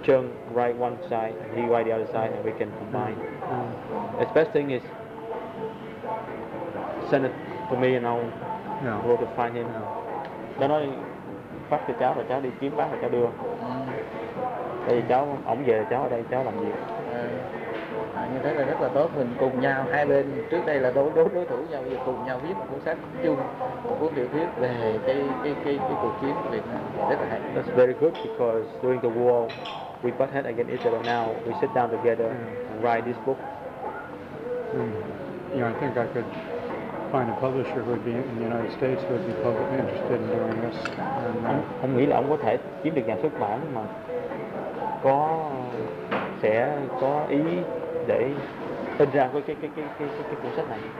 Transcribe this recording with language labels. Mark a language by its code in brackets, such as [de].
[en] Chung write one side and he write the other side, and we can combine. The best thing is send it to me and I'll go to find him. [vi] Nó nói phát cho cháu rồi cháu đi kiếm bác rồi cháu đưa. Tại vì cháu ổng về cháu ở đây cháu làm việc. Như thế là rất là tốt, mình cùng nhau hai bên trước đây là đối thủ nhau, bây giờ cùng nhau viết một cuốn sách chung, một cuốn tiểu thuyết về cái cuộc chiến của Việt Nam, rất là hay. [en] That's very good because during the war we butt head against each other, now we sit down together and write this book. You know, I think I could find a publisher who would be in the United States who would be publicly interested in doing this. [vi] Ông nghĩ là ông có thể kiếm được nhà xuất bản mà có sẽ có ý để in ra cái cuốn sách này.